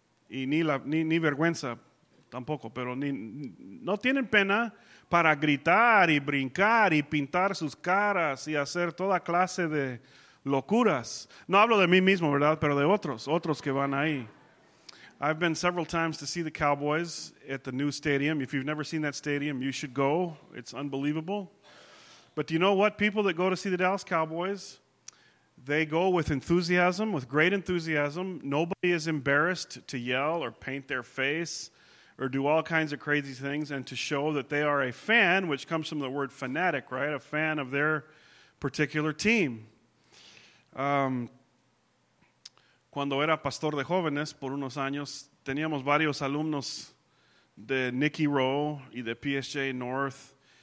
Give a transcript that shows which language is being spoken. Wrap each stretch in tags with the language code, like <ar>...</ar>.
<es>Y ni vergüenza tampoco, pero no tienen pena para gritar y brincar y pintar sus caras y hacer toda clase de locuras. No hablo de mí mismo, ¿verdad? Pero de otros que van ahí.</es> <en>I've been several times to see the Cowboys at the new stadium. If you've never seen that stadium, you should go. It's unbelievable. But do you know what? People that go to see the Dallas Cowboys, they go with enthusiasm, with great enthusiasm. Nobody is embarrassed to yell or paint their face or do all kinds of crazy things and to show that they are a fan, which comes from the word fanatic, right? A fan of their particular team.</en> <es>Cuando era pastor de jóvenes, por unos años, teníamos varios alumnos de Nicky Rowe y de PSJ North.</es>